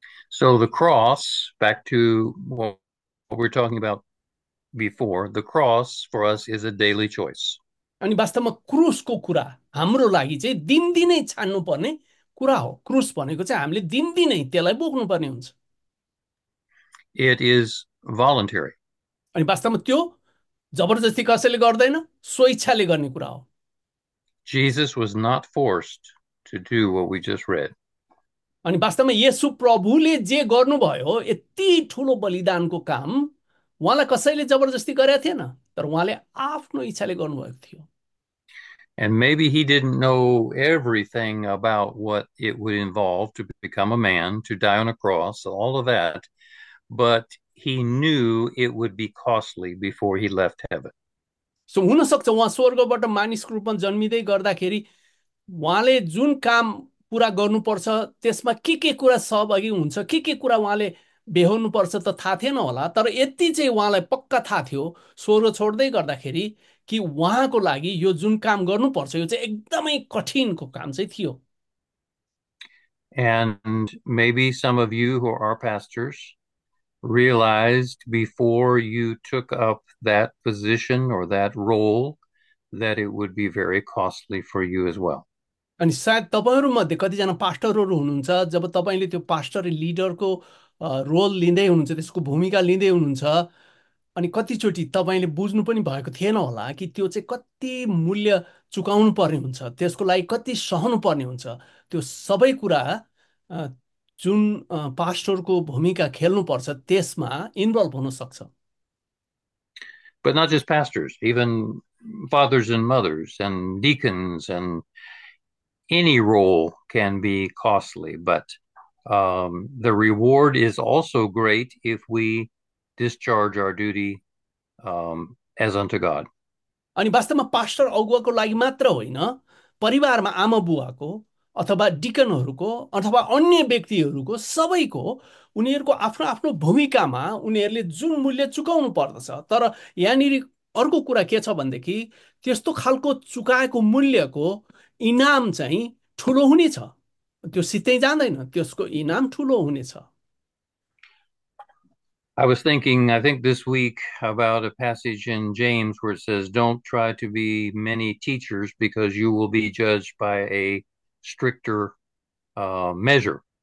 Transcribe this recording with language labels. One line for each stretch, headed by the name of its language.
English: So the cross, back to what we were talking about before, the cross for us is a daily choice.
Nepali: अनि वास्तवमा क्रुसको कुरा हाम्रो लागि चाहिँ दिनदिनै छान्नुपर्ने कुरा हो। क्रुस भनेको चाहिँ हामीले दिनदिनै त्यसलाई बोक्नुपर्ने हुन्छ।
English: It is voluntary.
Nepali: अनि वास्तवमा त्यो जबरजस्ती कसैले गर्दैन, स्वेच्छाले गर्ने कुरा हो।
English: Jesus was not forced to do what we just read.
Nepali: अनि वास्तवमा येशु प्रभुले जे गर्नुभयो, यति ठुलो बलिदानको काम उहाँलाई कसैले जबरजस्ती गरेका थिएन, तर उहाँले आफ्नो इच्छाले गर्नुभएको थियो।
English: And maybe he didn't know everything about what it would involve to become a man, to die on a cross, all of that. But he knew it would be costly before he left heaven.
Nepali: So हुनसक्छ उहाँ स्वर्गबाट मानिसको रूपमा जन्मिँदै गर्दाखेरि उहाँले जुन काम पुरा गर्नुपर्छ त्यसमा के कुरा सहभागी हुन्छ, के कुरा उहाँले बेहोर्नुपर्छ त थाहा थिएन होला, तर यति चाहिँ उहाँलाई पक्का थाहा थियो स्वर्ग छोड्दै गर्दाखेरि कि उहाँको लागि यो जुन काम गर्नुपर्छ यो चाहिँ एकदमै कठिनको काम चाहिँ थियो।
English: And maybe some of you who are pastors realized before you took up that position or that role that it would be very costly for you as well.
Nepali: अनि सायद तपाईँहरूमध्ये कतिजना पास्टरहरू हुनुहुन्छ, जब तपाईँले त्यो पास्टर लिडरको रोल लिँदै हुनुहुन्छ, त्यसको भूमिका लिँदै हुनुहुन्छ, अनि कतिचोटि तपाईँले बुझ्नु पनि भएको थिएन होला कि त्यो चाहिँ कति मूल्य चुकाउनु पर्ने हुन्छ, त्यसको लागि कति सहनु पर्ने हुन्छ, त्यो सबै कुरा जुन पास्टरको भूमिका खेल्नुपर्छ त्यसमा इन्भल्भ हुनसक्छ।
English: But not just pastors, even fathers and mothers and deacons and any role can be costly. But the reward is also great if we discharge our duty as unto God.
Nepali: अनि वास्तवमा pastor अगुवाको लागि मात्र होइन, परिवारमा आमा बुवाको अथवा डिकनहरूको अथवा अन्य व्यक्तिहरूको सबैको उनीहरूको आफ्नो आफ्नो भूमिकामा उनीहरूले जुन मूल्य चुकाउनु पर्दछ। तर यहाँनिर अर्को कुरा के छ भनेदेखि, त्यस्तो खालको चुकाएको मूल्यको इनाम चाहिँ ठुलो हुनेछ, त्यो सित्तै जाँदैन, त्यसको इनाम ठुलो हुनेछ।
English: I was thinking, I think this week, about a passage in James where it says, don't try to be many teachers because you will be judged by a stricter measure.